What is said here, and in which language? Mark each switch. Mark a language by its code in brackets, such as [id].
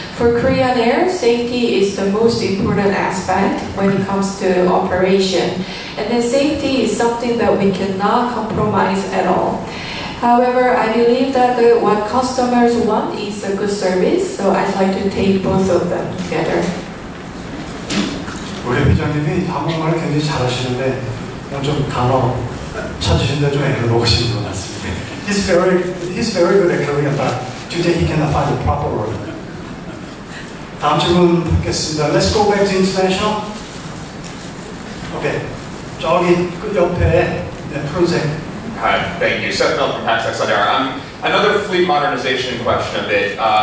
[en] For Korean Air, safety is the most important aspect when it comes to operation. And then safety is something that we cannot compromise at all. However, I believe that what customers want is a good service, so I'd like to take both of them together. [ko] 우리 회장님이 한국말을 굉장히 잘하시는데 좀 단어 찾으시는데 좀 애를 먹으시는 것 같습니다. [en] He's very good at Korean, but today he cannot find the proper word. [ko] 다음 질문 받겠습니다. [en] Let's go back to international. Okay. [ko] 저기 끝 옆에 네, 푸른색. [en] Hi, thank you. Seth Mill from Hatsex on Air. Another fleet modernization question a bit.